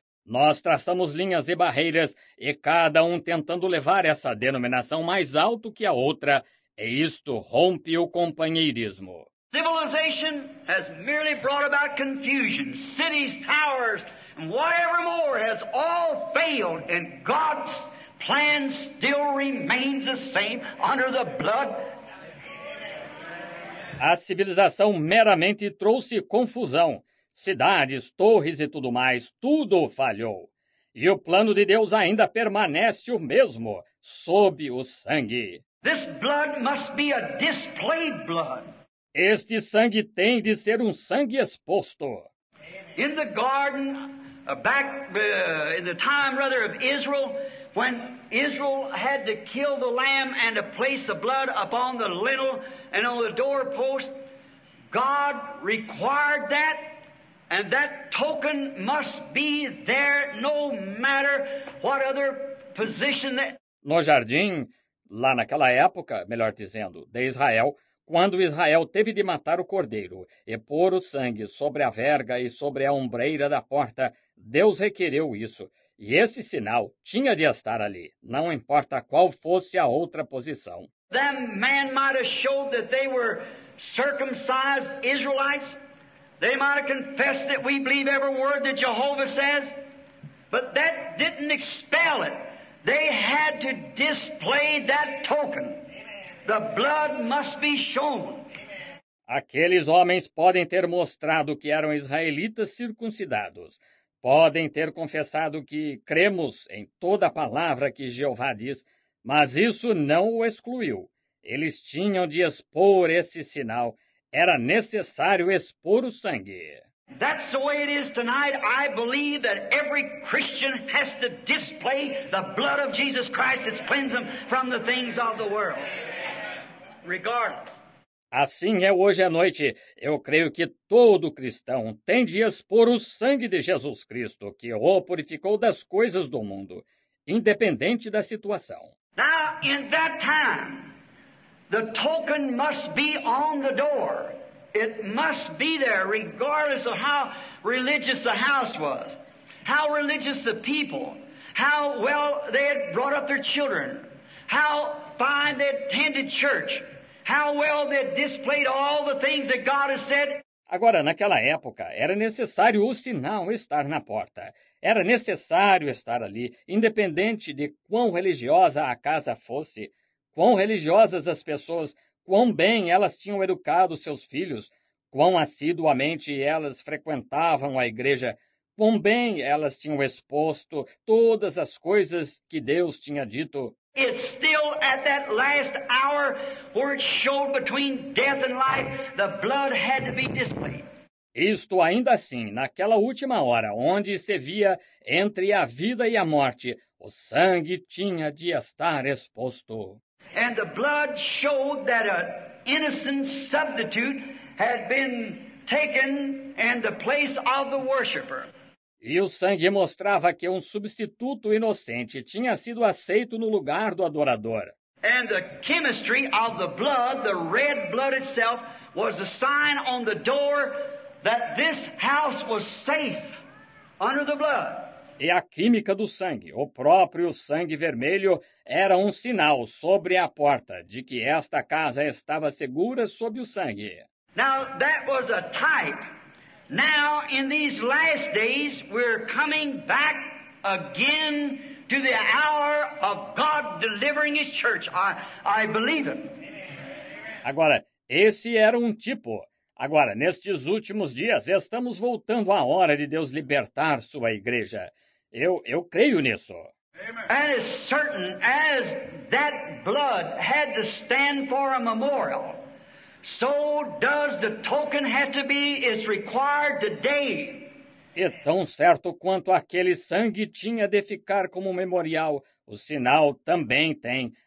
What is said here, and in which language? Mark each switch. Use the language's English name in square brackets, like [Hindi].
[Portuguese] Nós traçamos linhas e barreiras, e cada um tentando levar essa denominação mais alto que a outra, e isto rompe o companheirismo. [English] Civilization has merely brought about confusion. Cities, towers, and whatever more has all failed, and God's plan still remains the same under the blood. [Portuguese] A civilização meramente trouxe confusão. Cidades, torres e tudo mais, tudo falhou. E o plano de Deus ainda permanece o mesmo, sob o sangue. [English] This blood must be a displayed blood. [Portuguese] Este sangue tem de ser um sangue exposto. [English] In the garden, back in the time rather of Israel, when Israel had to kill the lamb and to place the blood upon the lintel and on the doorpost, God required that. And that token must be there, no matter what other position that... [Portuguese] No jardim, lá naquela época, melhor dizendo, de Israel, quando Israel teve de matar o cordeiro e pôr o sangue sobre a verga e sobre a ombreira da porta, Deus requereu isso. E esse sinal tinha de estar ali, não importa qual fosse a outra posição. [English] Then man might have showed that they were circumcised Israelites. They might have confessed that we believe every word that Jehovah says, but that didn't expel it. They had to display that token. The blood must be shown. [Portuguese] Aqueles homens podem ter mostrado que eram israelitas circuncidados. Podem ter confessado que cremos em toda a palavra que Jeová diz, mas isso não o excluiu. Eles tinham de expor esse sinal. Era necessário expor o sangue. [English] That's the way it is tonight. I believe that every Christian has to display the blood of Jesus Christ that cleanses them from the things of the world. Regardless. [Portuguese] Assim é hoje à noite. Eu creio que todo cristão tem de expor o sangue de Jesus Cristo, que o purificou das coisas do mundo, independente da situação. [English] Now, in that time, the token must be on the door. It must be there, regardless of how religious the house was, how religious the people, how well they had brought up their children, how fine they attended church, how well they displayed all the things that God has said. [Portuguese] Agora, naquela época, era necessário o sinal estar na porta. Era necessário estar ali, independente de quão religiosa a casa fosse. Quão religiosas as pessoas, quão bem elas tinham educado seus filhos, quão assiduamente elas frequentavam a igreja, quão bem elas tinham exposto todas as coisas que Deus tinha dito. [English] It's still at that last hour where it showed between death and life, the blood had to be displayed. [Portuguese] Isto ainda assim, naquela última hora, onde se via entre a vida e a morte, o sangue tinha de estar exposto. [English] And the blood showed that an innocent substitute had been taken in the place of the worshiper. [Portuguese] E o sangue mostrava que um substituto inocente tinha sido aceito no lugar do adorador. [English] And the chemistry of the blood, the red blood itself, was a sign on the door that this house was safe under the blood. [Portuguese] E a química do sangue, o próprio sangue vermelho, era um sinal sobre a porta de que esta casa estava segura sob o sangue. [English] Now that was a type. Now in these last days we're coming back again to the hour of God delivering his church. I believe it. [Portuguese] Agora, esse era um tipo. Agora, nestes últimos dias, estamos voltando à hora de Deus libertar sua igreja. Eu creio nisso. [English] And it's certain as that blood had to stand for a memorial, so does the token have to be is required today. [Portuguese] E tão certo quanto aquele sangue tinha de ficar como memorial, o sinal também tem.